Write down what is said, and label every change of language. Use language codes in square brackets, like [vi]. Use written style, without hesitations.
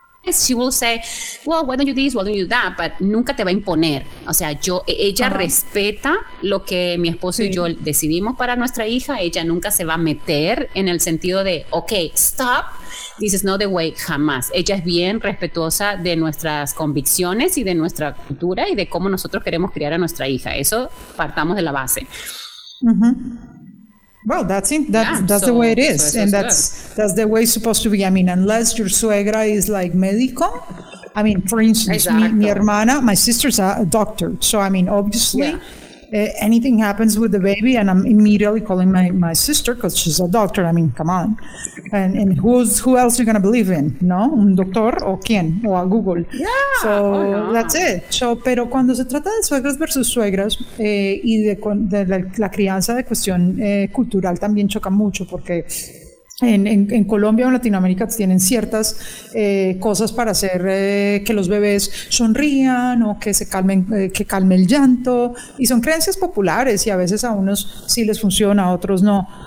[en] She will say, well, why don't you do this, why don't you do that, but [es] nunca te va a imponer. O sea, ella respeta lo que mi esposo y yo decidimos para nuestra hija. Ella nunca se va a meter en el sentido de, [en] okay, stop, this is not the way, [es] jamás. Ella es bien respetuosa de nuestras convicciones y de nuestra cultura y de cómo nosotros queremos criar a nuestra hija. Eso partamos de la base. Mm-hmm. [en] Well, that's the way it is, and that's the way it's supposed to be. I mean, unless your suegra is like médico, I mean, for instance, [es] mi hermana, [en] my sister's a doctor, so I mean, obviously, anything happens with the baby, and I'm immediately calling my sister because she's a doctor. I mean, come on, and who else are you gonna believe in? [es] No, un doctor o quién o a Google. [en] Yeah. So that's it. [es] So, pero cuando se trata de suegras versus suegras y de la crianza de cuestión cultural también choca mucho porque en Colombia o en Latinoamérica tienen ciertas cosas para hacer que los bebés sonrían o que se calmen, que calme el llanto, y son creencias populares y a veces a unos sí les funciona, a otros no.